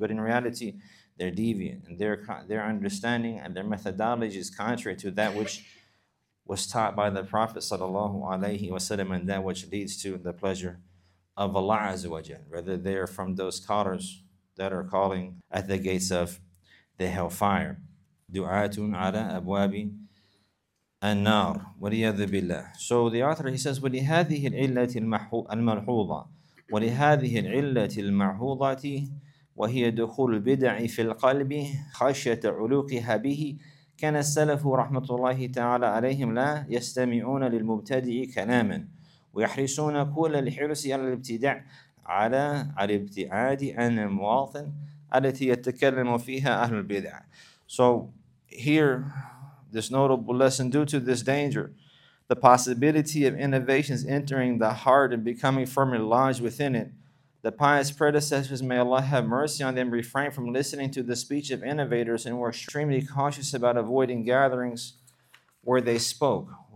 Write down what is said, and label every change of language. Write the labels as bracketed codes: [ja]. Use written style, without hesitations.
[en] But in reality, they're deviant, and their understanding and their methodology is contrary to that which was taught by the Prophet sallallahu alayhi wasallam, and that which leads to the pleasure of Allah azza wa jalla. Rather, they are from those callers that are calling at the gates of the hellfire. [ar] Du'atun ala abwabi an-nar. Waliyadhu billah. [en] So the author, he says, [ar] ولهذه العلة الملحوظة ولهذه العلة المحوظة وهي دخول البدع في القلب خشية علوقها به كان السلف رحمة الله تعالى عليهم لا يستمعون للمبتدع كلاما ويحرصون كل الحرص على الابتداع على الابتعاد عن المواطن التي يتكلم فيها أهل البدع. [en] So here, this notable lesson, due to this danger, the possibility of innovations entering the heart and becoming firmly lodged within it, the pious predecessors, may Allah have mercy on them, refrain from listening to the speech of innovators and were extremely cautious about avoiding gatherings where they spoke.